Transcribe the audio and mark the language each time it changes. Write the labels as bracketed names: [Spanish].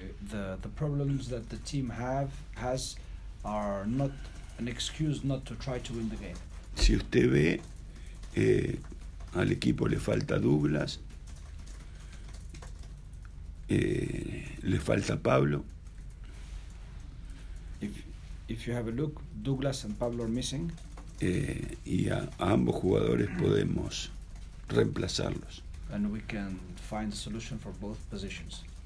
[English] The problems that the team has are not an excuse not to try to win the game. [Spanish] Si usted ve, al equipo le falta Douglas, le falta Pablo. [English] If you have a look, Douglas and Pablo are missing. [Spanish] Y a ambos jugadores podemos reemplazarlos. [English] And we can find a solution for both positions.